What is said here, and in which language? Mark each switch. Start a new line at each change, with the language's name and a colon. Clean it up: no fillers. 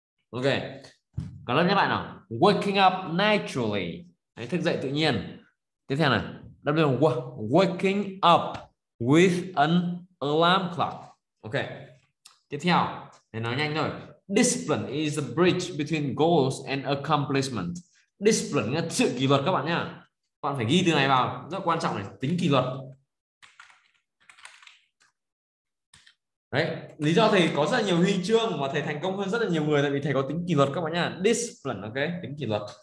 Vietnamese: Ok, cả lớp nhé bạn nào.
English: Waking up naturally,
Vietnamese: đấy, thức dậy tự nhiên. Tiếp theo này,
English: waking up with an alarm clock.
Vietnamese: Ok, tiếp theo, để nói nhanh thôi.
English: Discipline is the bridge between goals and accomplishment.
Vietnamese: Discipline là sự kỷ luật các bạn nhé. Các bạn phải ghi từ này vào, rất quan trọng này, tính kỷ luật. Đấy, lý do thầy có rất là nhiều huy chương và thầy thành công hơn rất là nhiều người tại vì thầy có tính kỷ luật các bạn nha. Discipline, ok, tính kỷ luật.